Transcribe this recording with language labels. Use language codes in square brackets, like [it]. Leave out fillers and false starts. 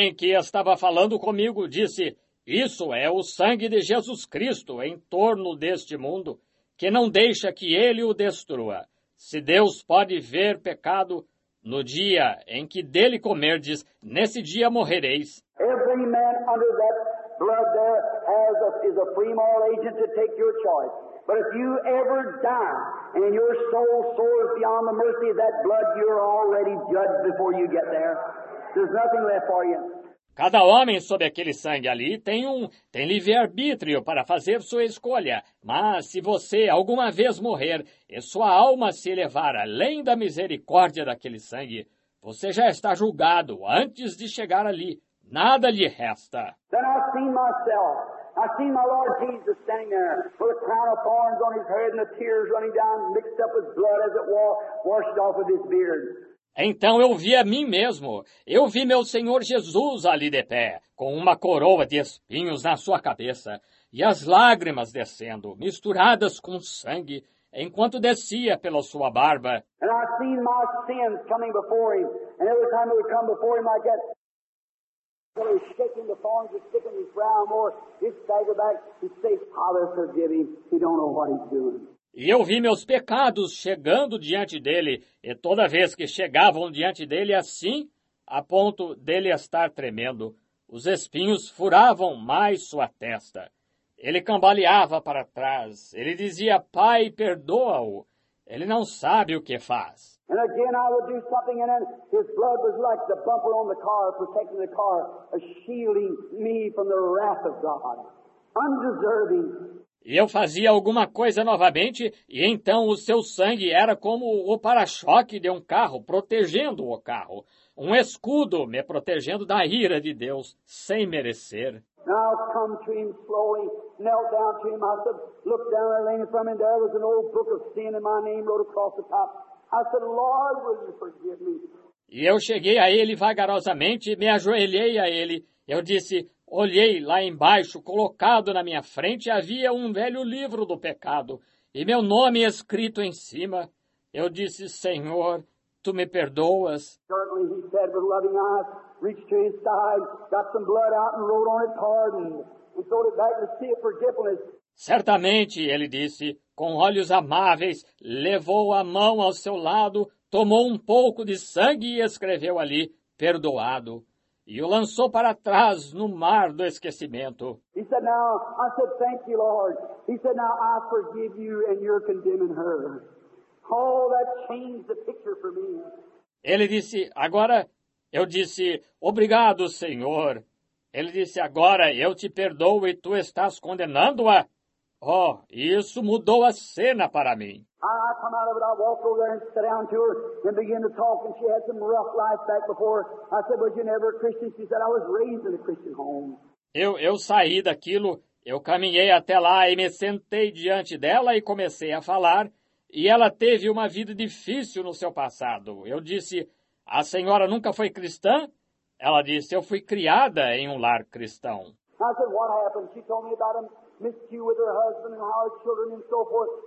[pt] E alguém que estava falando comigo disse: isso é o sangue de Jesus Cristo em torno deste mundo, que não deixa que ele o destrua. Se Deus pode ver pecado, No dia em que dele comerdes, nesse dia morrereis. [en] Every man under that blood there has a, is a free moral agent to take your choice. But if you ever die and your soul soars beyond the mercy of that blood, you're already judged before you get there. There's nothing left for you. [pt] Cada homem sob aquele sangue ali tem livre-arbítrio para fazer sua escolha. Mas se você alguma vez morrer e sua alma se elevar além da misericórdia daquele sangue, você já está julgado antes de chegar ali. Nada lhe resta. [en] Then I see myself. I see my Lord Jesus standing there with a crown of thorns on his head and the tears running down mixed up with blood as it washed off of his beard. [pt] Então eu vi a mim mesmo. Eu vi meu Senhor Jesus ali de pé, com uma coroa de espinhos na sua cabeça, e as lágrimas descendo, misturadas com sangue, enquanto descia pela sua barba. [en] And I seen my sins coming before him, and every time it would come before him, I get shaking the thorns and sticking his brow more, he'd stagger back, he'd say, Father, forgive him, he don't know what he's doing. [pt] E eu vi meus pecados chegando diante dele, e toda vez que chegavam diante dele assim, a ponto dele estar tremendo, os espinhos furavam mais sua testa. Ele cambaleava para trás, ele dizia, Pai, perdoa-o, ele não sabe o que faz. E de novo eu ia fazer algo, e então seu sangue era como o bumper no carro, protegendo o carro, [en] shielding-me [pt] da ira de Deus, [en] undeserving. [pt] E eu fazia alguma coisa novamente, e então o seu sangue era como o para-choque de um carro, protegendo o carro. Um escudo me protegendo da ira de Deus, sem merecer. [en] Now come to him slowly, knelt down to him. I said, look down there, laying from him. There was an old book of sin in my name wrote across the top. I said, Lord, will you forgive me? [pt] E eu cheguei a ele vagarosamente, me ajoelhei a ele. Eu disse, olhei lá embaixo, colocado na minha frente, havia um velho livro do pecado, e meu nome escrito em cima. Eu disse, Senhor, Tu me perdoas? [en] Certainly, he said with loving eyes, reached to his side, got some blood out and wrote on it pardon, and throwed it back to see if forgiveness. [pt] Certamente, ele disse, com olhos amáveis, levou a mão ao seu lado, tomou um pouco de sangue e escreveu ali, perdoado. E o lançou para trás no mar do esquecimento. [en] He said, now, I said, thank you, Lord. He said, now, I forgive you and you're condemning her. Oh, that changed the picture for me. [pt] Ele disse, agora, eu disse, obrigado, Senhor. Ele disse, agora, eu te perdoo e tu estás condenando-a. Oh, isso mudou a cena para mim. [en] I come out of it, I walked over there and sat down to her and began to talk, and she had some rough life back before. I said, was you never a Christian? She said, I was raised in a Christian home. [pt] Eu saí daquilo, eu caminhei até lá e me sentei diante dela e comecei a falar, e ela teve uma vida difícil no seu passado. Eu disse, a senhora nunca foi cristã? Ela disse, eu fui criada em um lar cristão. [en] I said, what happened? She told me about a miscue with her husband and how her children and so forth.